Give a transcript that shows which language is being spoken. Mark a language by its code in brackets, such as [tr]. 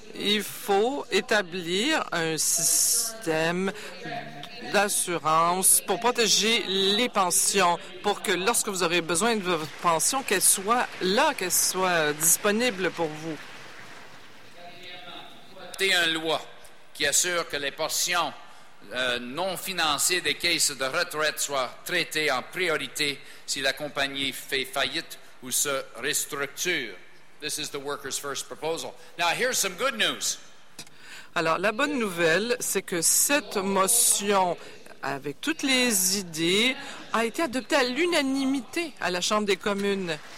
[fr] Il faut établir un système d'assurance pour protéger les pensions, pour que lorsque vous aurez besoin de votre pension, qu'elle soit là, qu'elle soit disponible pour vous. C'est une loi qui assure que les pensions non financées des caisses de retraite soient traitées en priorité si la compagnie fait faillite ou se restructure. [en] This is the workers' first proposal. Now, here's some good news. [fr] Alors, la bonne nouvelle, c'est que cette motion, avec toutes les idées, a été adoptée à l'unanimité à la Chambre des communes.